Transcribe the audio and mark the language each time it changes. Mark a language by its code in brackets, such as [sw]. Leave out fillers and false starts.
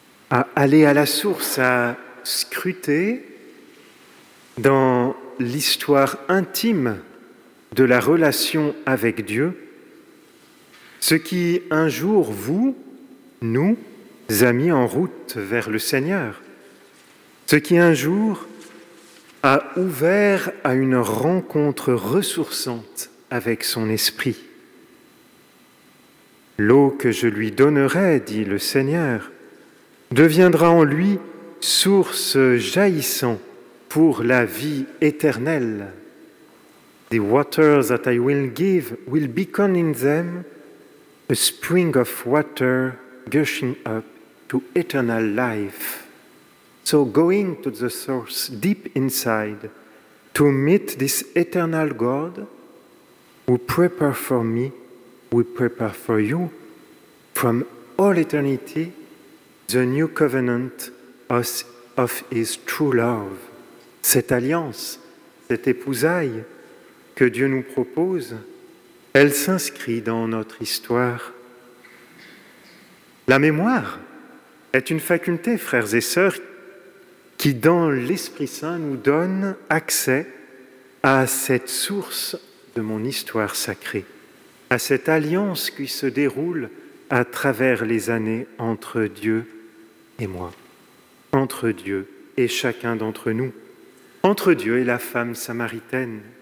[fr] à aller à la source, à scruter dans l'histoire intime de la relation avec Dieu, ce qui, un jour, vous, nous, a mis en route vers le Seigneur, ce qui, un jour, a ouvert à une rencontre ressourçante avec son Esprit. « L'eau que je lui donnerai, dit le Seigneur, deviendra en lui source jaillissant pour la vie éternelle. [en] The waters that I will give will become in them a spring of water gushing up to eternal life. So going to the source deep inside to meet this eternal God who prepare for you from all eternity the new covenant of his true love. [fr] Cette alliance, cette épousaille que Dieu nous propose, elle s'inscrit dans notre histoire. La mémoire est une faculté, frères et sœurs, qui dans l'Esprit Saint nous donne accès à cette source de mon histoire sacrée, à cette alliance qui se déroule à travers les années entre Dieu et moi, entre Dieu et chacun d'entre nous, entre Dieu et la femme samaritaine.